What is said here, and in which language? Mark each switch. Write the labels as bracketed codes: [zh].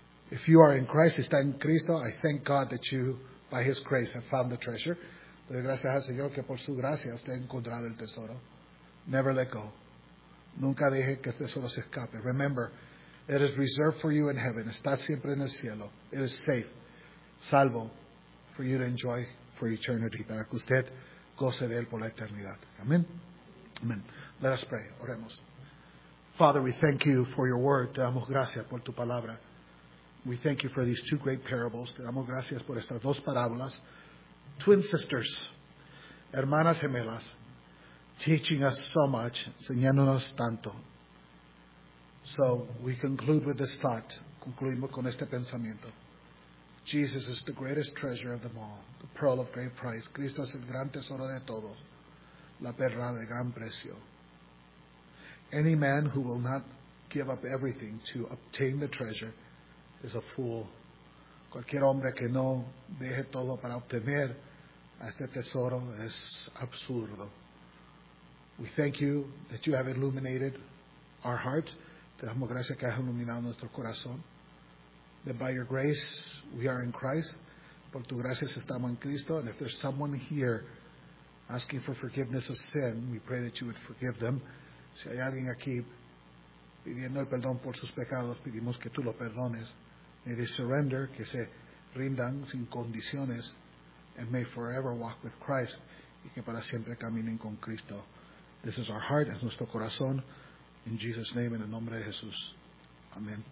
[en] If you are in Christ, [es] está en Cristo, [en] I thank God that you, by His grace, have found the treasure. [es] Le doy gracias al Señor que por su gracia usted ha encontrado el tesoro. [en] Never let go. [es] Nunca deje que el tesoro se escape. [en] Remember, it is reserved for you in heaven. [es] Está siempre en el cielo. [en] It is safe, salvo, for you to enjoy for eternity. [es] Para que usted goce de él por la eternidad. [en] Amén. Amén. Let us pray. [es] Oremos. [en] Father, we thank you for your word. [es] Te damos gracias por tu palabra. [en] We thank you for these two great parables. [es] Te damos gracias por estas dos parábolas. [en] Twin sisters, [es] hermanas gemelas, [en] teaching us so much, [es] enseñándonos tanto. [en] So we conclude with this thought. [es] Concluimos con este pensamiento. [en] Jesus is the greatest treasure of them all, the pearl of great price. [es] Cristo es el gran tesoro de todos, la perla de gran precio. [en] Any man who will not give up everything to obtain the treasure is a fool. [es] Cualquier hombre que no deje todo para obtener a este tesoro es absurdo. [en] We thank you that you have illuminated our hearts. [es] Te damos gracias que has iluminado nuestro corazón. [en] That by your grace we are in Christ. [es] Por tu gracia estamos en Cristo. [en] And if there's someone here asking for forgiveness of sin, we pray that you would forgive them. [es] Si hay alguien aquí pidiendo el perdón por sus pecados, pedimos que tú lo perdones. [en] May they surrender, [es] que se rindan sin condiciones, [en] and may forever walk with Christ, [es] y que para siempre caminen con Cristo. [en] This is our heart, [es] es nuestro corazón, [en] in Jesus' name, [es] en el nombre de Jesús. Amén.